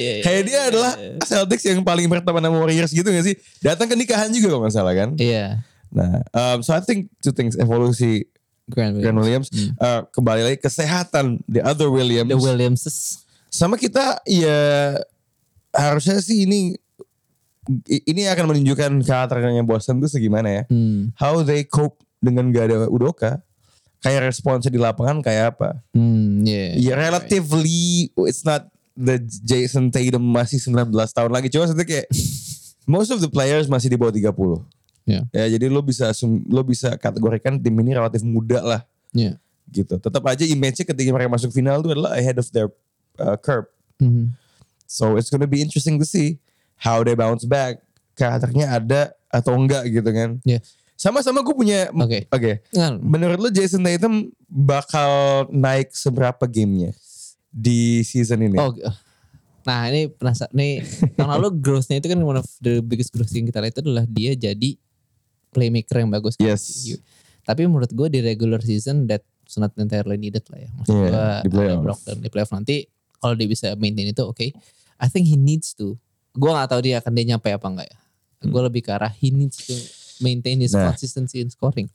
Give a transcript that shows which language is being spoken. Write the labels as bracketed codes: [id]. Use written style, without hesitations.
[id] Kayak dia adalah Celtics yang paling berteman sama Warriors gitu gak sih? Datang ke nikahan juga kalau gak salah kan? Iya. [en] Nah, so I think two things, [id] evolusi [en] Grant Williams. [id] Kembali lagi kesehatan [en] the other Williams. The Williamses. [id] Sama kita ya harusnya sih ini akan menunjukkan karakternya Boston itu segimana ya. [en] How they cope [id] dengan gak ada Udoka. Kayak responsnya di lapangan kayak apa? [en] Relatively, right. It's not the [id] Jason Tatum masih 19 tahun lagi. Cuma maksudnya kayak, [en] most of the players [id] masih di bawah 30. [en] Yeah. [id] Ya, jadi lo bisa kategorikan tim ini relatif muda lah. [en] Yeah. [id] Gitu. Tetap aja image-nya ketika mereka masuk final itu adalah [en] ahead of their curve. So it's gonna be interesting to see how they bounce back. [id] Karakternya ada atau enggak gitu kan. [en] Yeah. [id] Sama-sama gue punya, [en] okay. [id] Menurut lo Jason Tatum bakal naik seberapa gamenya di season ini? Nah ini penasaran, tahun lalu growthnya itu kan [en] one of the biggest growth [id] yang kita lihat adalah dia jadi playmaker yang bagus. [en] Yes. [id] Kan? Tapi menurut gue di regular season [en] that's not entirely needed [id] lah ya. Maksud gue Brooklyn di playoff nanti, kalau dia bisa maintain itu okay. [en] I think he needs to, [id] gue gak tahu dia akan dia nyampe apa enggak ya. Gue lebih ke arah [en] he needs to maintain his consistency in scoring.